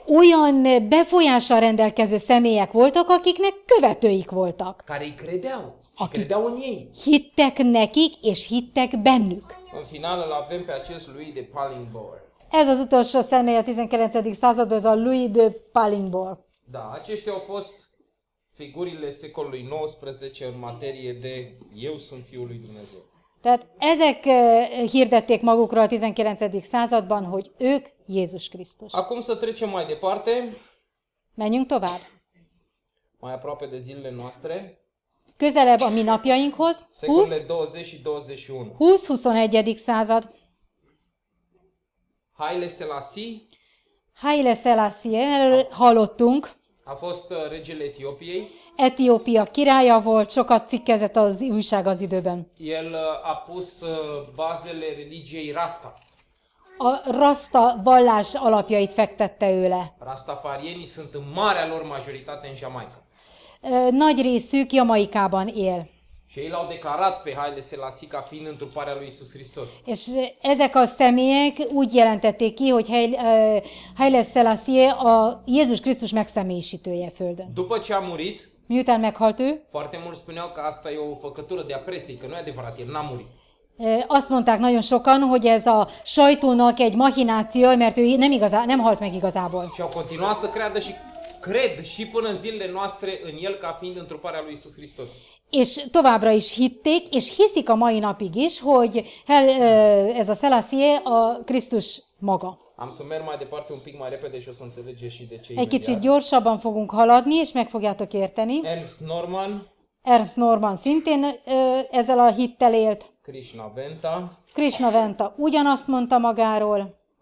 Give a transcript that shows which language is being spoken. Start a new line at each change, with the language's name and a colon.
Hungarian: olyan befolyással rendelkező személyek voltak, akiknek követőik voltak.
Romanian: Care-i credeau, și credeau în ei.
Hungarian: Hittek nekik, és hittek bennük.
Romanian: În final îl avem pe acest Louis de Palinbor.
Hungarian: Ez az utolsó személy a 19. században, ez a Louis de Palinbor.
Romanian: Da, aceștia au fost figurile secolului 19 în materie de eu sunt fiul lui Dumnezeu.
Hungarian: Tehát ezek hirdették magukról a 19. században, hogy ők Jézus Krisztus.
Romanian: Acum să trecem mai departe.
Hungarian: Menjünk tovább.
Romanian: Mai aproape de zilele noastre.
Hungarian: Közelebb a mi napjainkhoz. 20-21. század. Haile Selassie. Haile Selassie, hallottunk.
Romanian: A fost regele Etiópiei.
Hungarian: Etiópia királya volt, sokat cikkezett az újság az időben.
Romanian: El a pus bazele religiei Rasta.
Hungarian: A Rasta vallás alapjait fektette ő le.
Romanian: Rastafarienii sunt în marea lor majoritate în Jamaica.
Hungarian: Nagy részük Jamaikában él.
Romanian: Ei l-au declarat pe Haile Selassie ca fiind întruparea lui Iisus Hristos.
Hungarian: És ezek a személyek úgy jelentették ki, hogy Haile Selassie a Jézus Krisztus megszemélyisítője földön.
Romanian: După ce a murit,
Hungarian: miután meghalt ő,
Romanian: foarte mulți spuneau că asta e o făcătură de apresie, că nu e adevărat, el n-a murit.
Hungarian: Azt mondták nagyon sokan, hogy ez a sajtónak egy machináció, mert ő nem igazá, nem halt meg igazából.
Romanian: Și au continuat să creadă și cred și până în zilele noastre în el ca fiind întruparea lui Iisus Hristos.
Hungarian: És továbbra is hitték, és hiszik a mai napig is, hogy ez a Selassie a Krisztus maga.
Romanian: Am să merg mai departe un pic mai repede și o să înțelegeți și de ce.
Hungarian: Egy kicsit gyorsabban fogunk haladni, és meg fogjátok érteni. Ernst Norman szintén ezzel a hittel élt. Krishnaventa ugyanazt mondta magáról.